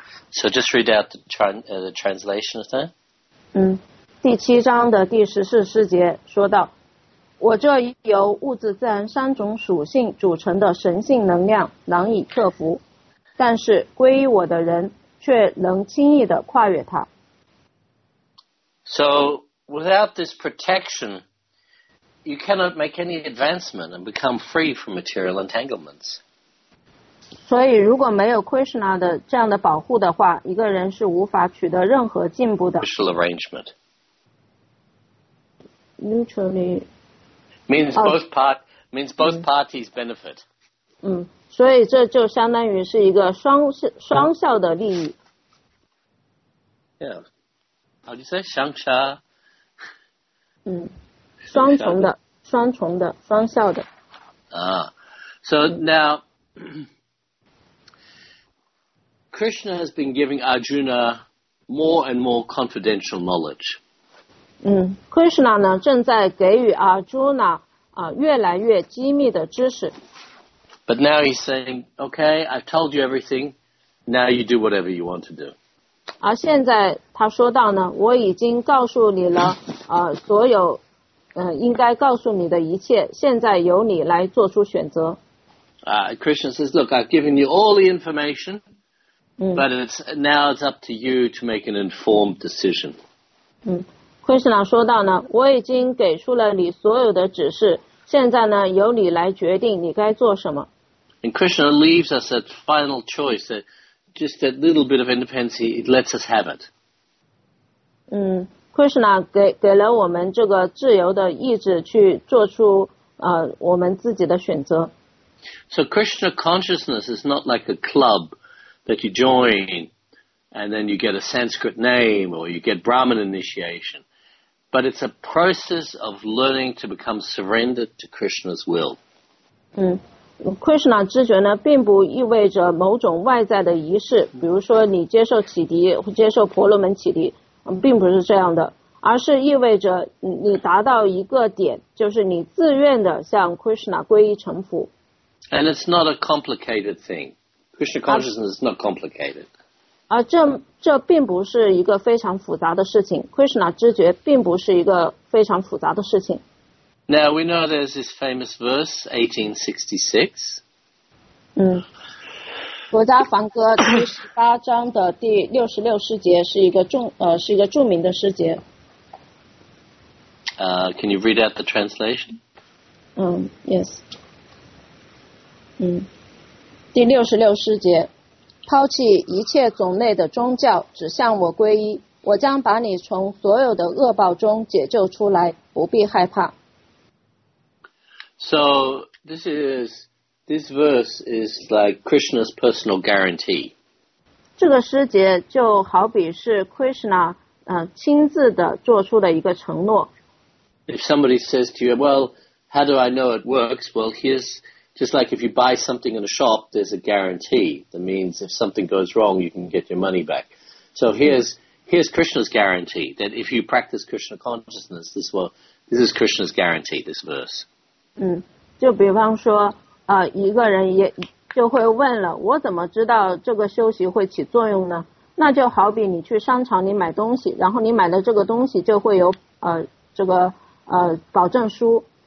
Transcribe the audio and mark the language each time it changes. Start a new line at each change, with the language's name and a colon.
English: So just read out the translation of that.
Chinese: 第七章的第十四诗节说道，我这由物质自然三种属性组成的神性能量难以克服，但是皈依我的人却能轻易地跨越它。
English: So without this protection, you cannot make any advancement and become free from material entanglements.
Chinese: 所以如果没有 Krishna 的这样的保护的话，一个人是无法取得任何进步的。
English: Mutual arrangement. Mutually. Means both parties benefit.
Chinese: 所以这就相当于是一个双效的利益。
English: Yeah. How do you say?
Chinese: 相差。双重的，双重的，双效的。
English: So now, Krishna has been giving Arjuna more and more confidential knowledge.
Chinese: Krishna 呢正在给予 Arjuna 越来越机密的知识。
English: But now he's saying, okay, I've told you everything, now you do whatever you want to do.
Chinese: 而现在他说到呢，我已经告诉你了所有应该告诉你的一切，现在由你来做出选择。
English: Krishna says, look, I've given you all the information,But it's up to you to make an informed decision.
Chinese: Krishna 说到呢，我已经给出了你所有的指示，现在呢，由你来决定你该做什么。
English: And Krishna leaves us a final choice, that just that little bit of independence, it lets us have it.
Chinese: Krishna 给了我们这个自由的意志去做出我们自己的选择。
English: So Krishna consciousness is not like a club. That you join, and then you get a Sanskrit name, or you get Brahman initiation. But it's a process of learning to become surrendered to Krishna's will.
Chinese: Krishna 知觉呢，并不意味着某种外在的仪式，比如说你接受启迪，接受婆罗门启迪，并不是这样的，而是意味着你达到一个点，就是你自愿的向 Krishna 皈依臣服。
English: And it's not a complicated thing. Krishna consciousness is not complicated.
Chinese: 这并不是一个非常复杂的事情。 Krishna 知觉并不是一个非常复杂的事情。
English: Now we know there's this famous verse, 1866.
Chinese: 国家梵歌第十八章的第六十六诗节是一个是一个著名的诗节。
English: Can you read out the translation? Yes.
Chinese: 第六十六诗节，抛弃一切种类的宗教，只向我皈依，我将把你从所有的恶报中解救出来，不必害怕。
English: So this verse is like Krishna's personal guarantee.
Chinese: 这个诗节就好比是 Krishna 亲自的做出的一个承诺。
English: If somebody says to you, well, how do I know it works? Well, here's... Just like if you buy something in a shop, there's a guarantee. That means if something goes wrong, you can get your money back. So here's Krishna's guarantee, that if you practice Krishna consciousness, this is Krishna's guarantee, this verse.
Chinese: 就比方说一个人也就会问了，我怎么知道这个休息会起作用呢？那就好比你去商场里买东西，然后你买的这个东西就会有这个保证书。